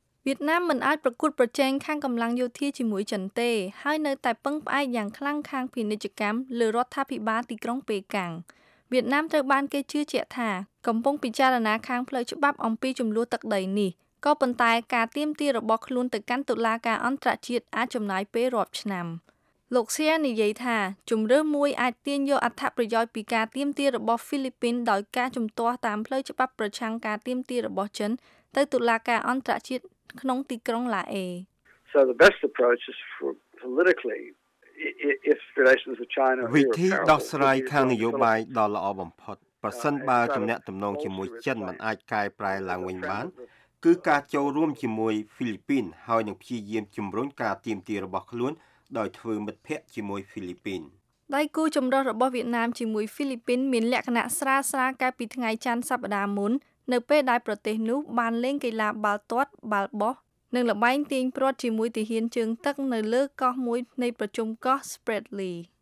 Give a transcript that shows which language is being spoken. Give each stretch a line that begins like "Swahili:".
Khmer: វៀតណាមមិនអាចប្រកួតប្រជែងខាងកម្លាំងយោធាជាមួយចិនទេហើយនៅតែពឹងផ្អែកយ៉ាងខ្លាំងខាងពាណិជ្ជកម្មលើរដ្ឋាភិបាលទីក្រុងប៉េកាំងវៀតណាមត្រូវបានគេជឿជាក់ថាកំពុងពិចារណាខាងផ្លូវច្បាប់អំពីចំនួនទឹកដីនេះក៏ប៉ុន្តែការទៀមទារបស់ខ្លួនទៅកាន់តុលាការអន្តរជាតិអាចចំណាយពេលរាប់ឆ្នាំ លោកសៀនិយាយថាជំរឿមួយអាចទាញយកអត្ថប្រយោជន៍ពីការទៀមទារបស់ហ្វីលីពីនដោយការជំទាស់តាមផ្លូវច្បាប់ប្រឆាំងការទៀមទាររបស់ចិនទៅតុលាការអន្តរជាតិក្នុងទីក្រុងឡាអេ
English: So the best approach is for politically if relations with China
Khmer: វិធីដោះស្រាយខាងនយោបាយដ៏ល្អបំផុតប្រសិនបើជំនះតំណងជាមួយចិនមិនអាចកែប្រែឡើងវិញបានគឺការចូលរួមជាមួយហ្វីលីពីនហើយនឹងព្យាយាមជំរុញការទៀមទារបស់ខ្លួនដោយធ្វើមិត្តភក្តិជាមួយហ្វីលីពីន ដៃគូចម្រុះរបស់វៀតណាមជាមួយហ្វីលីពីនមានលក្ខណៈស្រាលស្រាលកាលពីថ្ងៃច័ន្ទសប្តាហ៍មុននៅពេលដែលប្រទេសនោះបានលេងកីឡាបាល់ទាត់បាល់បោះនិងល្បែងទាញព្រ័ត្រជាមួយទាហានជើងទឹកនៅលើកោះមួយនៃប្រជុំកោះ Spratly